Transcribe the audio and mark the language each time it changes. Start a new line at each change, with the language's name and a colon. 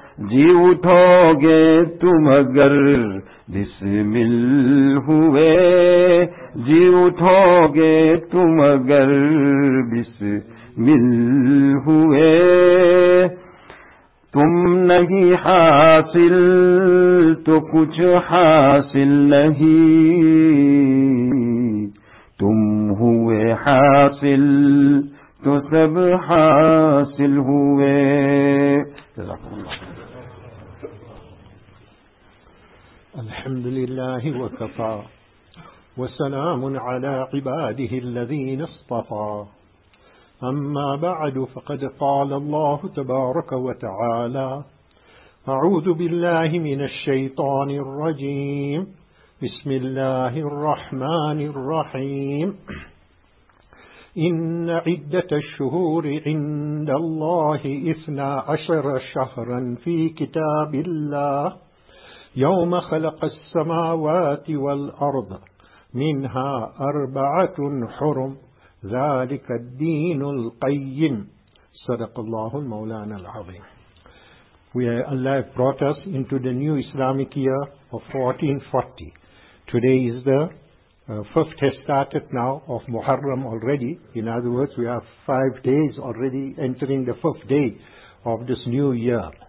Urdu: جی اٹھو گے تم اگر بسمل ہوئے، جی اٹھو گے تم اگر بسمل ہوئے۔ تم نہیں حاصل تو کچھ حاصل نہیں، تم ہوئے حاصل تو سب حاصل ہوئے۔
Arabic: الحمد لله وكفى وسلام على عباده الذين اصطفى، أما بعد فقد قال الله تبارك وتعالى، أعوذ بالله من الشيطان الرجيم، بسم الله الرحمن الرحيم، إن عدة الشهور عند الله 12 شهرا في كتاب الله يوم خلق السماوات والأرض منها 4 حرم ذلك الدين القيم، صدق الله المولانا العظيم.
English: Allah brought us into the new Islamic year of 1440. Today is the fifth has started now of Muharram already. In other words, we have 5 days already entering the fifth day of this new year.